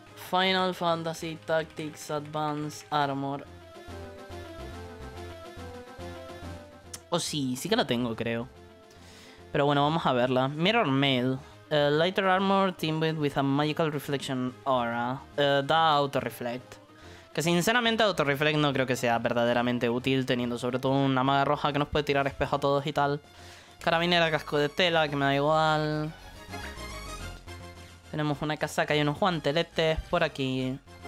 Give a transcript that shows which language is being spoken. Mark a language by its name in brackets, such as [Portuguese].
[English] Final Fantasy Tactics Advance Armor. [Spanish] Oh, sí, sí que la tengo, creo. Pero bueno, vamos a verla. Mirror Mail. [English] Lighter armor teamed with a magical reflection aura. [Spanish] Da auto-reflect. Que sinceramente auto-reflect no creo que sea verdaderamente útil, teniendo sobre todo una maga roja que nos puede tirar espejo a todos y tal. Carabinera, casco de tela, que me da igual. Tenemos una casaca y unos guanteletes por aquí.